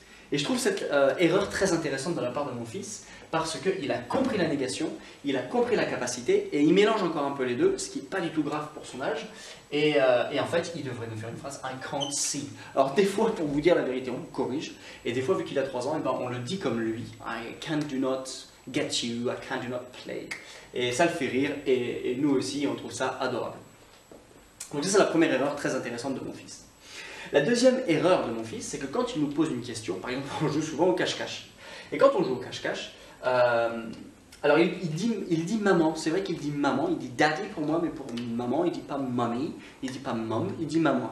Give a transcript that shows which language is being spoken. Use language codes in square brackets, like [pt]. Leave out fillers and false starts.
[fr] Et je trouve cette erreur très intéressante de la part de mon fils. Parce qu'il a compris la négation, il a compris la capacité et il mélange encore un peu les deux, ce qui n'est pas du tout grave pour son âge. Et en fait, il devrait nous faire une phrase « [en] I can't see ». [fr] Alors des fois, pour vous dire la vérité, on corrige. Et des fois, vu qu'il a 3 ans, et ben, on le dit comme lui. [en] « I can't do not get you, I can't do not play ». [fr] Et ça le fait rire et nous aussi, on trouve ça adorable. Donc ça, c'est la première erreur très intéressante de mon fils. La deuxième erreur de mon fils, c'est que quand il nous pose une question, par exemple, on joue souvent au cache-cache. Et quand on joue au cache-cache, alors il dit maman, c'est vrai qu'il dit maman, il dit daddy pour moi, mais pour maman, il dit pas mommy, il dit pas mom, il dit maman.